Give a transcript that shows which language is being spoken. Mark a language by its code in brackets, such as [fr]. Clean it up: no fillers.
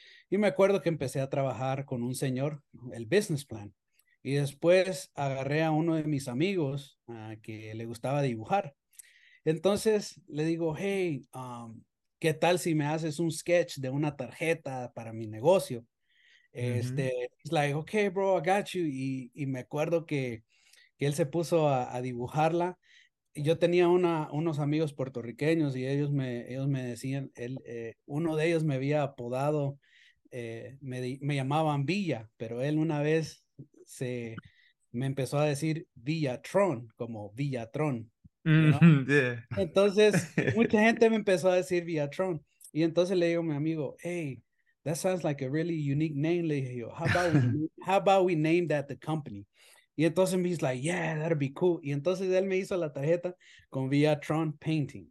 [es] Y me acuerdo que empecé a trabajar con un señor, el business plan. Y después agarré a uno de mis amigos que le gustaba dibujar. Entonces le digo, hey, ¿qué tal si me haces un sketch de una tarjeta para mi negocio? Este, es [en] like, okay, bro, I got you. [es] Y me acuerdo que él se puso a dibujarla. Y yo tenía unos amigos puertorriqueños y ellos me decían, uno de ellos me había apodado, me llamaban Villa, pero él una vez me empezó a decir Villatron, como Villatron. Entonces mucha gente me empezó a decir Villatron y entonces le digo a mi amigo, [en] hey, that sounds like a really unique name. [es] Le dije, [en] how about we name that the company? [es] Y entonces me dice, [en] like, yeah, that'd be cool. [es] Y entonces él me hizo la tarjeta con Villatron Painting.